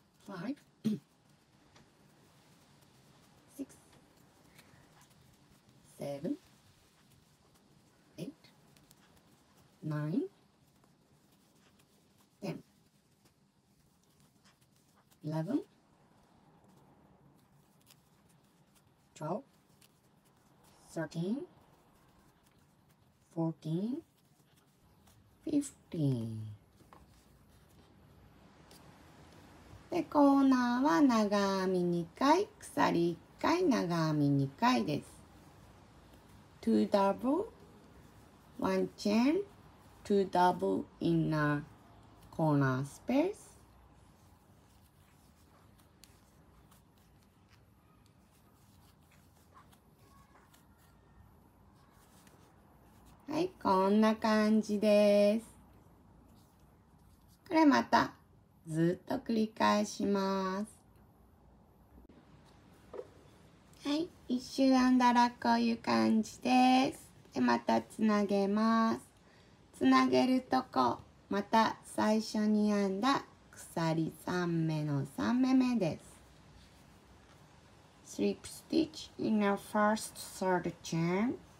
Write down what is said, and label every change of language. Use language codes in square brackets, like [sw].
[en] 7, 8, 9, 10, 11, 12, 13, 14, 15. [ja] で、コーナーは長編み2回、鎖1回、長編み2回です。 [en] 2 double, 1 chain, 2 double inner corner space. [ja] はい、こんな感じです。これまた。ずっと繰り返します。はい、一周編んだらこういう感じです。で、またつなげます。つなげるとこ、また最初に編んだ鎖3目の3目目です。 [en] Slip stitch in your first third chain.